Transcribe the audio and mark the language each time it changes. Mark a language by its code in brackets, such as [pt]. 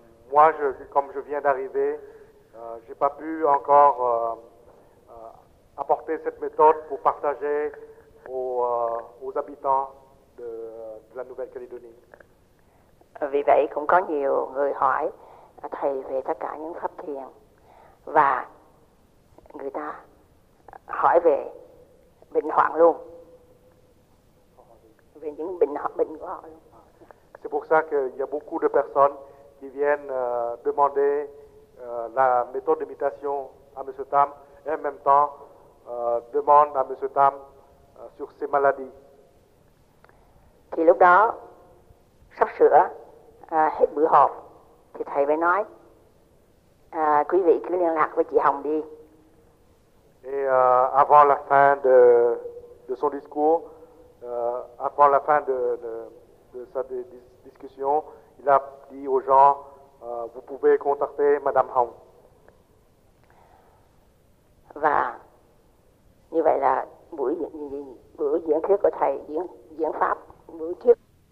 [fr] Moi, comme je viens d'arriver, j'ai pas pu encore apporter cette méthode pour partager aux habitants de la Nouvelle-Calédonie. [vi] Vì vậy cũng có nhiều người hỏi thầy về tất cả những pháp thiền và người ta hỏi về bệnh hoạn luôn. Về những bệnh của họ luôn. [fr] C'est pour ça qu'il y a beaucoup de personnes qui viennent demander la méthode d'imitation à M. Tam et en même temps demande à M. Tam sur ses maladies. [vi] Thì lúc đó, sắp sửa hết bữa họp, thì thầy mới nói, quý vị cứ liên lạc với chị Hồng đi. [fr] Et avant la fin de son discours, avant la fin de sa discussion, il a dit aux gens, vous pouvez contacter Madame Hong. [vi] Và như vậy là buổi diễn thuyết của thầy diễn pháp buổi thuyết.